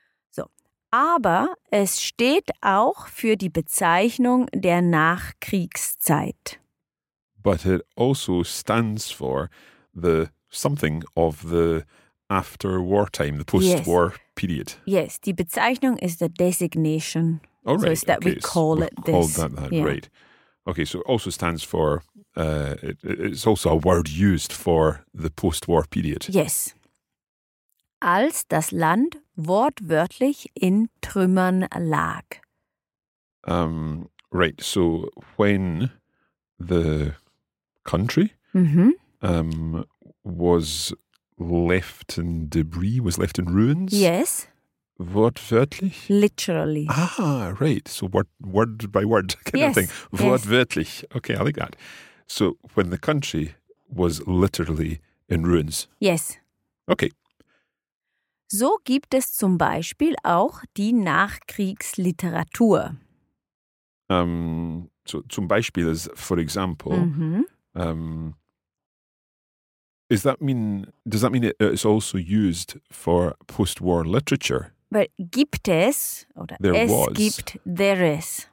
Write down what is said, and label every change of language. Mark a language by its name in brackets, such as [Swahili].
[German] So, aber es steht auch für die Bezeichnung der Nachkriegszeit. [English] But it also stands for the something of the after war time, the post-war period. Yes, die Bezeichnung is the designation. Oh, right. So it's that okay. we call so it this. Call that that, yeah. right. Okay, so it also stands for, it's also a word used for the post-war period. Yes. [German] Als das Land wortwörtlich in Trümmern lag. [English] Right, so when the country was left in debris, was left in ruins. Yes. [German] Wortwörtlich? [English] Literally. Ah, right. So word by word kind yes, of thing. Wortwörtlich. Yes. Okay, I like that. So when the country was literally in ruins. Yes. Okay. [German] So gibt es zum Beispiel auch die Nachkriegsliteratur. [English] So zum Beispiel is, for example, does that mean it's also used for post-war literature? But [German] gibt es, oder [English] there [German] es [English] was. Gibt, there is.